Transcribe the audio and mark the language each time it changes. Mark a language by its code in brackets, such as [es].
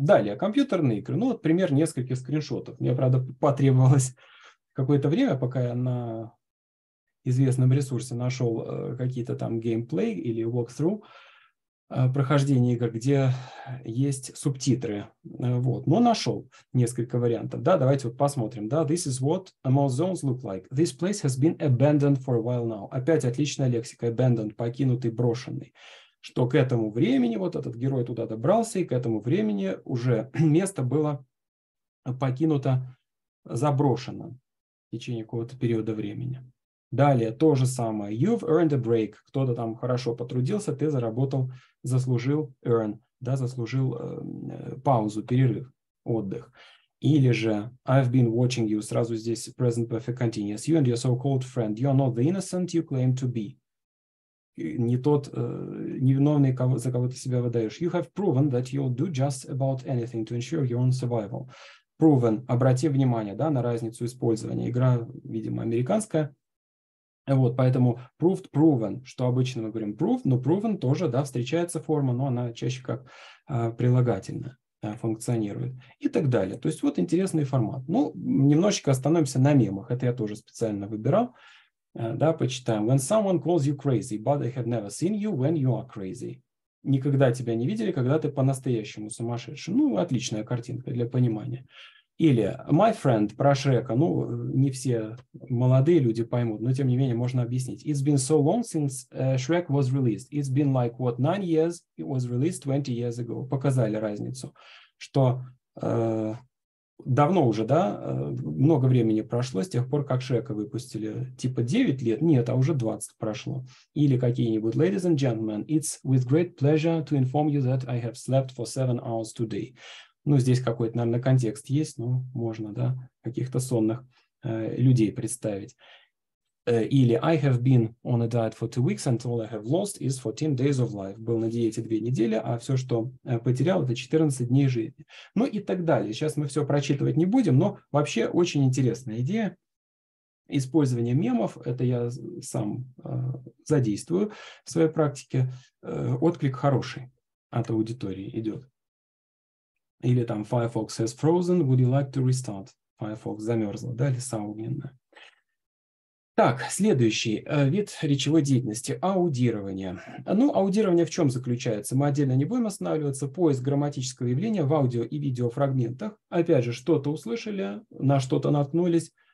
[ru] Далее, компьютерные игры. Ну, вот пример нескольких скриншотов. Мне, правда, потребовалось какое-то время, пока я на известном ресурсе нашел какие-то там геймплей или walkthrough прохождение игр, где есть субтитры. Вот. Но нашел несколько вариантов. Да, давайте вот посмотрим. [en] Да, this is what most zones look like. This place has been abandoned for a while now. [ru] Опять отличная лексика. Abandoned, покинутый, брошенный. Что к этому времени, вот этот герой туда добрался, и к этому времени уже место было покинуто, заброшено в течение какого-то периода времени. Далее то же самое. [en] You've earned a break. [ru] Кто-то там хорошо потрудился, ты заработал, заслужил earn, да, заслужил паузу, перерыв, отдых. Или же [en] I've been watching you. [ru] Сразу здесь [en] present perfect continuous. You and your so-called friend. You are not the innocent you claim to be. [ru] не тот невиновный, кого, за кого ты себя выдаешь. [en] You have proven that you'll do just about anything to ensure your own survival. Proven. [ru] Обрати внимание, да, на разницу использования. Игра, видимо, американская. Вот, поэтому proved, proven, что обычно мы говорим proved, но proven тоже, да, встречается форма, но она чаще как прилагательная. Функционирует и так далее. То есть вот интересный формат. Ну, немножечко остановимся на мемах. Это я тоже специально выбирал. Да, почитаем. [en] When someone calls you crazy, but they have never seen you when you are crazy. [ru] Никогда тебя не видели, когда ты по-настоящему сумасшедший. Ну, отличная картинка для понимания. Или my friend про Шрека. Ну, не все молодые люди поймут, но тем не менее можно объяснить. [en] It's been so long since Shrek was released. It's been like, what, 9 years? It was released 20 years ago. [ru] Показали разницу, что давно уже, да, много времени прошло с тех пор, как Шрека выпустили. Типа 9 лет? Нет, а уже 20 прошло. Или какие-нибудь. [en] Ladies and gentlemen, it's with great pleasure to inform you that I have slept for 7 hours today. [ru] Ну, здесь какой-то, наверное, контекст есть, но можно, да, каких-то сонных людей представить. Или [en] I have been on a diet for 2 weeks and all I have lost is 14 days of life. [ru] Был на диете 2 недели, а все, что потерял, это 14 дней жизни. Ну и так далее. Сейчас мы все прочитывать не будем, но вообще очень интересная идея. Использование мемов, это я сам задействую в своей практике. Отклик хороший от аудитории идет. Или там [en] Firefox has frozen, would you like to restart? [ru] Firefox замерзла, да, лиса огненная. Так, следующий вид речевой деятельности – аудирование. Ну, аудирование в чем заключается? Мы отдельно не будем останавливаться. Поиск грамматического явления в аудио и видеофрагментах. Опять же, что-то услышали, на что-то наткнулись.